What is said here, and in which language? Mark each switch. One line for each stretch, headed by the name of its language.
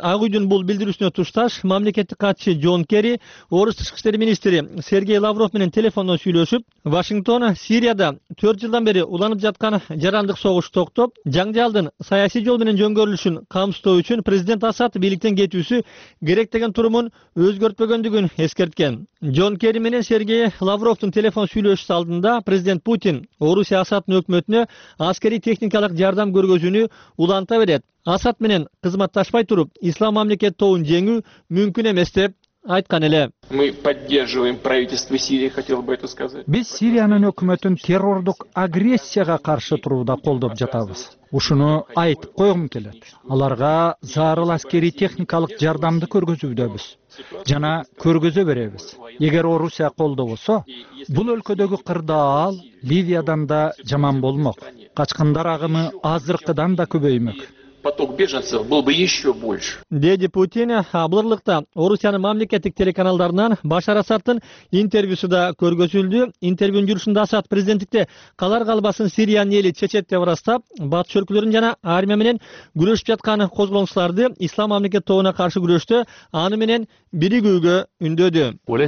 Kyrgyz: Ак Үйдүн бул билдирүүсүнө тушташ мамлекеттик катчы Джон Керри орус тышкы иштер министри Сергей Лавров менен телефондон сүйлөшүп, Вашингтон Сирияда 4 жылдан бери уланып жаткан жарандык согуш токтоп, жаңжалдын саясий жол менен жөнгөрүлүшүн камсыздоо үчүн президент Асад бийликтен кетүүсү керек деген турумун өзгөртпөгөндүгүн эскерткен. Джон Керри менен Сергей Лавровдун телефон сүйлөшүсү алдында президент Путин Орусия Асадтын өкмөтүнө аскерий техникалык жардам көргөзүүнү уланта берет. Асад менен кызматташпай туруп Ислам мамлекети тобун жеңүү мүмкүн эмес деп айткан эле.
Russian: Мы поддерживаем правительство Сирии, хотел бы это сказать.
Kyrgyz: Биз Сириянын өкмөтүн террордук агрессияга каршы турууда колдоп жатабыз. Ушуну айтып койгум келет. Аларга зарыл аскерий техникалык жардамды көргөзүүдөбүз жана көргөзө беребиз. Эгер Орусия колдобосо, бул өлкөдөгү кырдаал Ливиядан да жаман болмок. Качкындар агымы азыркыдан да көбөймөк.
Russian: поток беженцев был бы еще больше.
Kyrgyz: Деди Путин, абырлыкта Орусиянын мамлекеттик телеканалдарынан Башар Асадтын интервьюсу да көргөзүлдү. Интервьюнун жүрүшүндө Асад президенттикте калар калбасын Сириянын эли чечет деп ырастап, батыш өлкөлөрүн жана армия менен күрөшүп жаткан козголоңчуларды ислам мамлекет тобуна каршы күрөштө аны менен биригүүгө үндөдү.